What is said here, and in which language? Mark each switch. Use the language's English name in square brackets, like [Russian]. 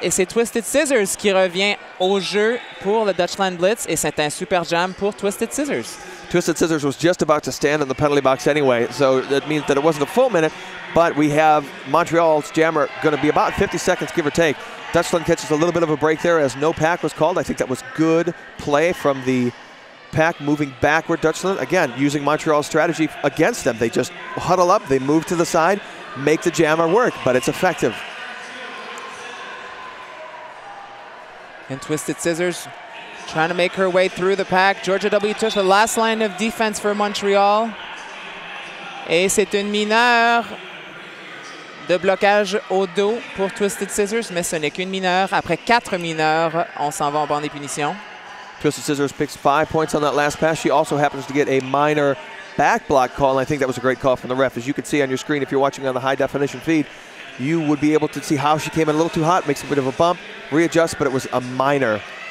[French] Et c'est Twisted Scissors qui revient au jeu pour le Dutchland Blitz. Et c'est un super jam pour Twisted Scissors. [English] Twisted Scissors was just about to stand in the penalty box anyway, so that means that it wasn't a full minute, but we have Montreal's jammer going to be about 50 seconds, give or take. Dutchland catches a little bit of a break there as no pack was called. I think that was good play from the pack moving backward. Dutchland, again, using Montreal's strategy against them. They just huddle up, they move to the side, make the jammer work, but it's effective. And Twisted Scissors trying to make her way through the pack. Georgia W touch the last line of defense for Montreal. [French] Et c'est une mineure de blocage au dos pour Twisted Scissors, mais ce n'est qu'une mineure. Après quatre mineures, on s'en va en banc des punitions. [English] Twisted Scissors picks 5 points on that last pass. She also happens to get a minor back block call, and I think that was a great call from the ref. As you can see on your screen, if you're watching on the high definition feed, you would be able to see how she came in a little too hot, makes a bit of a bump, readjust, but it was a minor.